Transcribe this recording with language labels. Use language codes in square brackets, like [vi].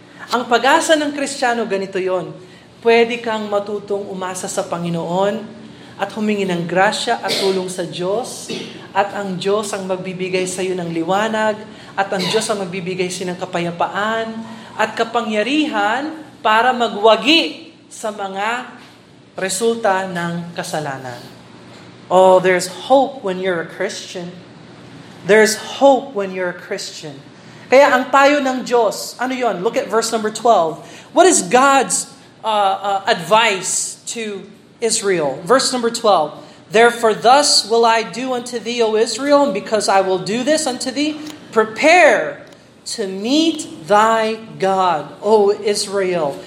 [tl] Ang pag-asa ng Kristiyano, ganito yon. Pwede kang matutong umasa sa Panginoon at humingi ng grasya at tulong sa Diyos, at ang Diyos ang magbibigay sa iyo ng liwanag, at ang Diyos ang magbibigay sa iyo ng kapayapaan at kapangyarihan para magwagi sa mga resulta ng kasalanan. [en] Oh, there's hope when you're a Christian. There's hope when you're a Christian. [tl] Kaya ang payo ng Diyos, ano yon? [en] Look at verse number 12. What is God's advice to Israel? Verse number 12. Therefore thus will I do unto thee, O Israel, and because I will do this unto thee, prepare to meet thy God, O Israel.